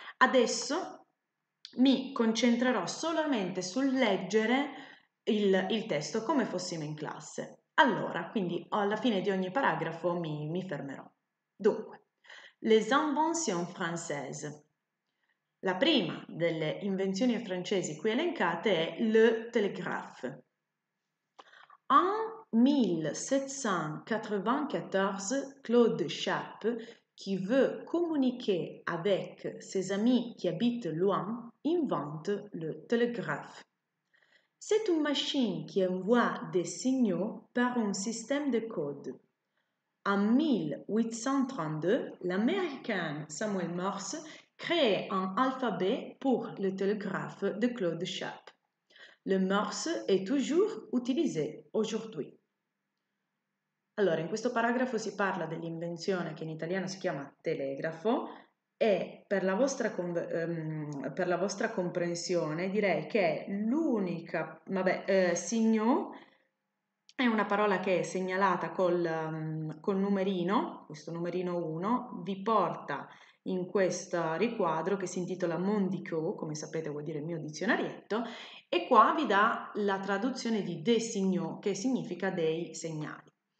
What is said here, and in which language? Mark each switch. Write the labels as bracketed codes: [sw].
[it] Adesso mi concentrerò solamente sul leggere il testo come fossimo in classe. Allora, quindi alla fine di ogni paragrafo mi fermerò. Dunque, [fr] les inventions françaises. [it] La prima delle invenzioni francesi qui elencate è le télégraphe. [fr] En 1794, Claude Chappe, qui veut communiquer avec ses amis qui habitent loin, invente le télégraphe. C'est une machine qui envoie des signaux par un système de code. En 1832, l'Américain Samuel Morse crée un alphabet pour le télégraphe de Claude Chappe. Le Morse è toujours utilisé aujourd'hui. [it] Allora, in questo paragrafo si parla dell'invenzione che in italiano si chiama telegrafo e per la vostra comprensione direi che è l'unica, signo è una parola che è segnalata col numerino, questo numerino 1, vi porta in questo riquadro che si intitola Mondico, come sapete vuol dire il mio dizionarietto, e qua vi dà la traduzione di des signaux, che significa dei segnali.